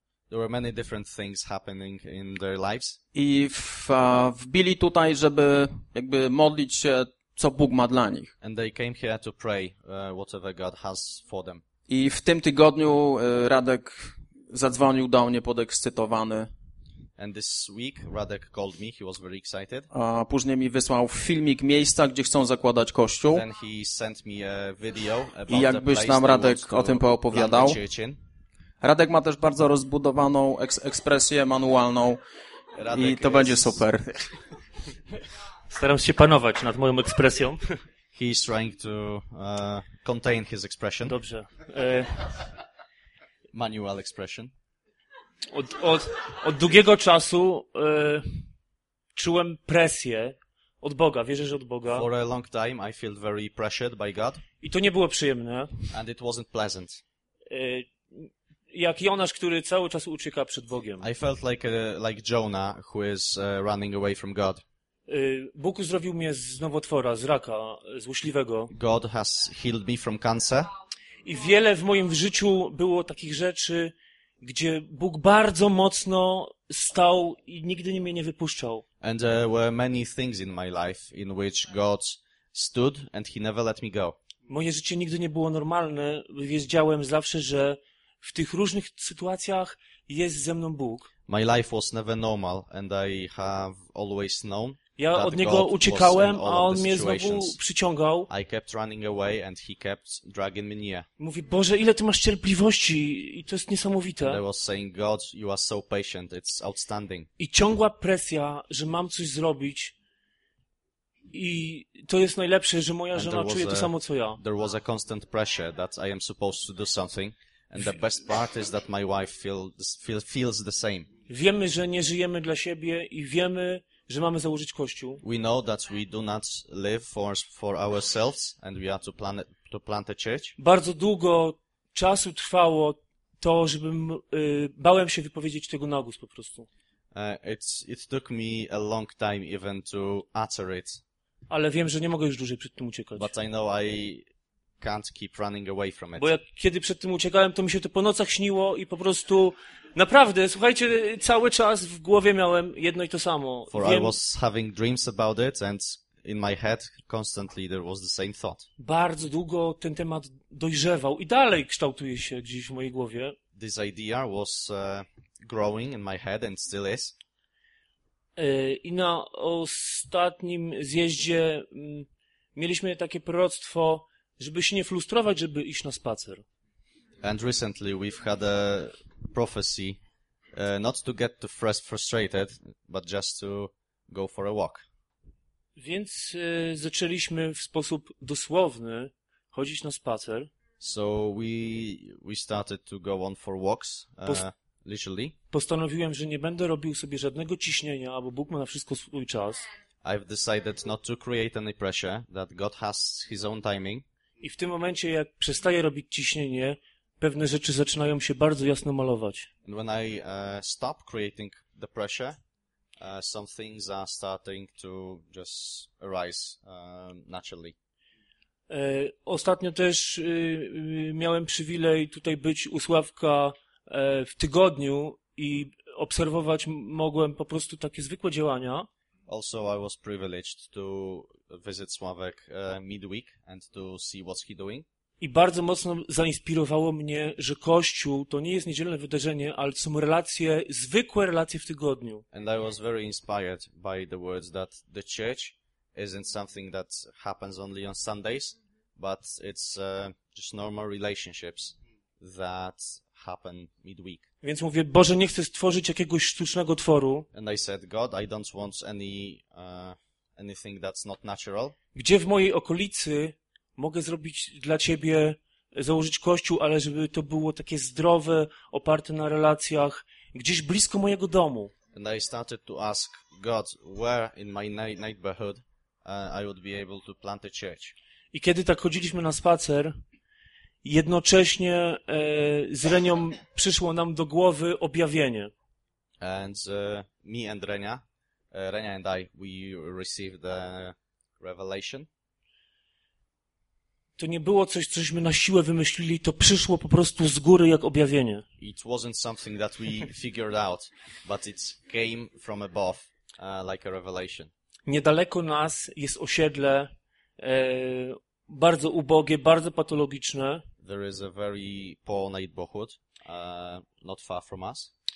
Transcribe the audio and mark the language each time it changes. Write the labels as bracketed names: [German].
[English] There were many different things happening in their lives. [Polish] I wbili tutaj, żeby jakby modlić się, co Bóg ma dla nich. [English] And they came here to pray whatever God has for them. [Polish] I w tym tygodniu Radek zadzwonił do mnie podekscytowany. [English] And this week Radek called me, he was very excited. [Polish] A później mi wysłał filmik miejsca, gdzie chcą zakładać kościół. [English] Then he sent me a video about [Polish] i jakbyś nam Radek o tym poopowiadał. Radek ma też bardzo rozbudowaną ekspresję manualną. Radek i to będzie super. Staram się panować nad moją ekspresją. [English] He's trying to contain his expression. [Polish] Dobrze. [English] Manual expression. [Polish] Od długiego czasu czułem presję od Boga. Wierzę, że od Boga. [English] For a long time I felt very pressured by God. [Polish] I to nie było przyjemne. [English] And it wasn't pleasant. [Polish] Jak Jonasz, który cały czas ucieka przed Bogiem. [English] I felt like Jonah, who is running away from God. [Polish] Bóg uzdrowił mnie z nowotwora, z raka złośliwego. [English] God has healed me from cancer. [Polish] I wiele w moim życiu było takich rzeczy, gdzie Bóg bardzo mocno stał i nigdy mnie nie wypuszczał. [English] And there were many things in my life in which God stood and he never let me go. [Polish] Moje życie nigdy nie było normalne, wiedziałem zawsze, że w tych różnych sytuacjach jest ze mną Bóg. [English] My life was never normal and I have always known. [Polish] Ja od niego uciekałem, a on mnie znowu przyciągał. [English] I kept running away and he kept dragging me near. [Polish] Mówi, Boże, ile ty masz cierpliwości i to jest niesamowite. [English] And I was saying, God, you are so patient, it's outstanding. [Polish] I ciągła presja, że mam coś zrobić i to jest najlepsze, że moja żona czuje to samo co ja. [English] There was a constant pressure that I am supposed to do something and the best part is that my wife feels the same. [Polish] Wiemy, że nie żyjemy dla siebie i wiemy, że mamy założyć kościół. [English] We know that we do not live for ourselves and we are to plant a church. [Polish] Bardzo długo czasu trwało to, żebym bałem się wypowiedzieć tego na głos po prostu. [English] It took me a long time even to utter it. [Polish] Ale wiem, że nie mogę już dłużej przed tym uciekać. [English] But I know I can't keep running away from it. [Polish] Bo jak kiedy przed tym uciekałem, to mi się to po nocach śniło i po prostu naprawdę, słuchajcie, cały czas w głowie miałem jedno i to samo. [English] For I was having dreams about it and in my head constantly there was the same thought. [Polish] Bardzo długo ten temat dojrzewał i dalej kształtuje się gdzieś w mojej głowie. [English] This idea was growing in my head and still is. [Polish] I na ostatnim zjeździe mieliśmy takie proroctwo, żeby się nie frustrować, żeby iść na spacer. [English] And recently we've had a prophecy not to get too frustrated, but just to go for a walk. [Polish] Więc zaczęliśmy w sposób dosłowny chodzić na spacer. [English] So we started to go on for walks, literally. [Polish] Postanowiłem, że nie będę robił sobie żadnego ciśnienia, bo Bóg ma na wszystko swój czas. [English] I've decided not to create any pressure, that God has his own timing. [Polish] I w tym momencie, jak przestaję robić ciśnienie, pewne rzeczy zaczynają się bardzo jasno malować. [English] And when I stop creating the pressure. Some things are starting to just arise naturally. [Polish] Ostatnio też miałem przywilej tutaj być u Sławka w tygodniu i obserwować mogłem po prostu takie zwykłe działania. [English] Also I was privileged to visit Sławek midweek and to see what he's doing. [Polish] I bardzo mocno zainspirowało mnie, że Kościół to nie jest niedzielne wydarzenie, ale są relacje, zwykłe relacje w tygodniu. [English] And I was very inspired by the words that the church isn't something that happens only on Sundays, but it's just normal relationships that happen midweek. [Polish] Więc mówię, Boże, nie chcę stworzyć jakiegoś sztucznego tworu. [English] And I said, God, I don't want any anything that's not natural. [Polish] Gdzie w mojej okolicy mogę zrobić dla Ciebie, założyć kościół, ale żeby to było takie zdrowe, oparte na relacjach, gdzieś blisko mojego domu. [English] And I started to ask God, where in my neighborhood I would be able to plant a church. [Polish] I kiedy tak chodziliśmy na spacer, jednocześnie z Renią przyszło nam do głowy objawienie. [English] And me and Renia, Renia and I, we received the revelation. [Polish] To nie było coś, cośmy na siłę wymyślili, to przyszło po prostu z góry jak objawienie. [English] It wasn't something that we figured out, but it came from above, like a revelation. [Polish] Niedaleko nas jest osiedle, bardzo ubogie, bardzo patologiczne. [English] There is a very poor neighborhood, not far from us.